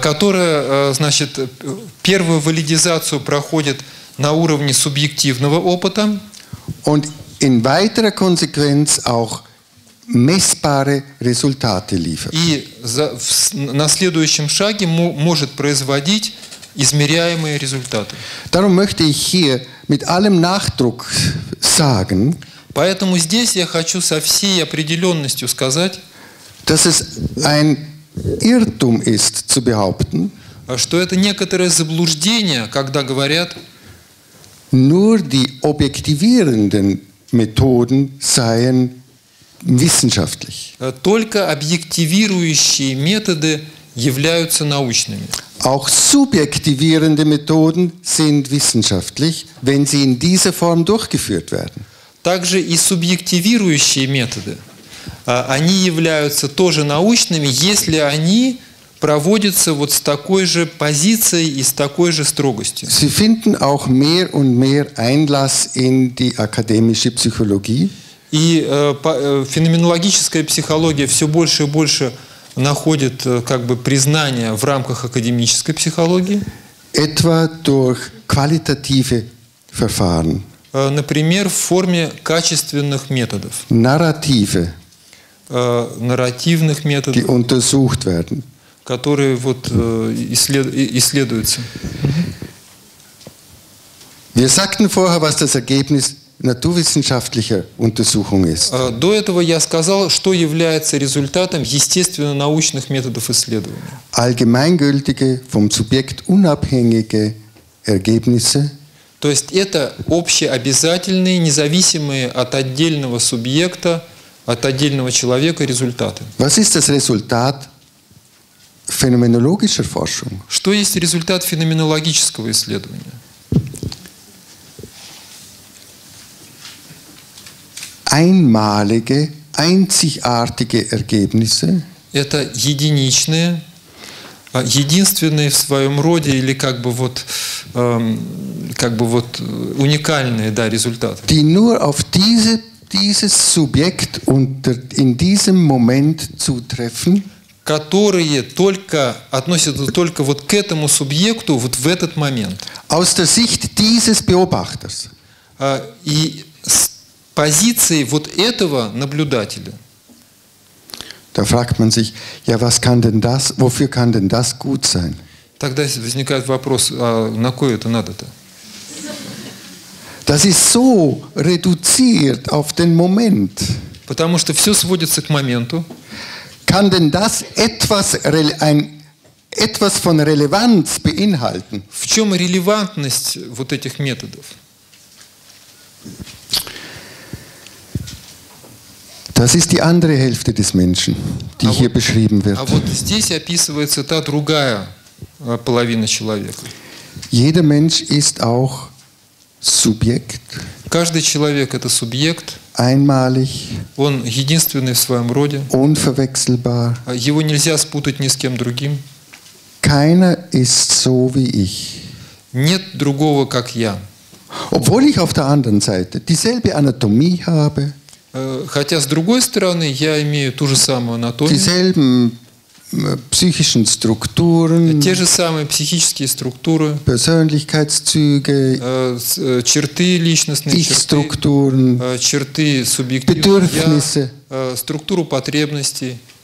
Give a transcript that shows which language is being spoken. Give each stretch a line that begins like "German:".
Russian: Которая, значит, первую валидизацию проходит на уровне субъективного опыта.
German: Und in weiterer Konsequenz auch messbare Resultate liefert.
Russian: И на следующем шаге может производить измеряемые результаты.
German: Darum möchte ich hier mit allem Nachdruck sagen,
Russian: поэтому здесь я хочу со всей определенностью сказать,
German: dass es ein Irrtum ist, zu behaupten,
Russian: что это некоторое заблуждение, когда говорят,
German: nur die objektivierenden Methoden seien wissenschaftlich.
Russian: Только объективирующие методы являются научными.
German: Auch subjektivierende Methoden sind wissenschaftlich, wenn sie in dieser Form durchgeführt werden.
Russian: Также и субъективирующие методы, они являются тоже научными, если они проводятся вот с такой же позицией и с такой же строгостью.
German: Sie finden auch mehr und mehr Einlass in die akademische Psychologie.
Russian: И феноменологическая психология все больше и больше находит как бы признание в рамках академической психологии.
German: Etwa durch qualitative Verfahren.
Russian: Например, в форме качественных методов.
German: Narrative.
Russian: Нарративных методов.
German: Die untersucht werden.
Russian: Которые вот исследуются.
German: Wir sagten vorher, was das Ergebnis naturwissenschaftlicher Untersuchung ist.
Russian: До этого я сказал, что является результатом естественно-научных методов исследования.
German: Allgemeingültige, vom Subjekt unabhängige Ergebnisse.
Russian: То есть это общеобязательные, независимые от отдельного субъекта от отдельного человека результаты.
German: Was ist das Resultat phänomenologischer Forschung?
Russian: Что есть результат феноменологического исследования?
German: Einmalige, einzigartige Ergebnisse.
Russian: Это единичные, единственные в своем роде или уникальные, да, результаты.
German: Die nur auf dieses Subjekt in diesem Moment zutreffen.
Russian: Которые только относятся только вот к этому субъекту вот в этот момент.
German: Aus der Sicht dieses Beobachters.
Russian: И с позиции вот этого наблюдателя.
German: Da fragt man sich, ja, was kann denn das, wofür kann denn das gut sein?
Russian: Тогда возникает вопрос, а на кое это надо-то?
German: Das ist so reduziert auf den Moment.
Russian: Потому что все сводится к моменту.
German: Kann denn das etwas von Relevanz beinhalten?
Russian: В чем релевантность вот этих методов?
German: Das ist die andere Hälfte des Menschen, die hier beschrieben wird.
Russian: А вот здесь описывается та другая половина человека.
German: Jeder Mensch ist auch Subjekt.
Russian: Каждый человек – это субъект.
German: Einmalig.
Russian: Он единственный в своем роде.
German: Unverwechselbar.
Russian: Его нельзя спутать ни с кем другим.
German: Keiner ist so wie ich.
Russian: Нет другого, как я.
German: Obwohl ich auf der anderen Seite dieselbe Anatomie habe.
Russian: Хотя с другой стороны я имею ту же самую анатомию.
German: Dieselben psychischen Strukturen.
Russian: Те же самые психические структуры.
German: Persönlichkeitszüge.
Russian: Черты личностные.
German: Ich-Strukturen.
Russian: Черты субъективные. Bedürfnisse. Я, структуру потребностей.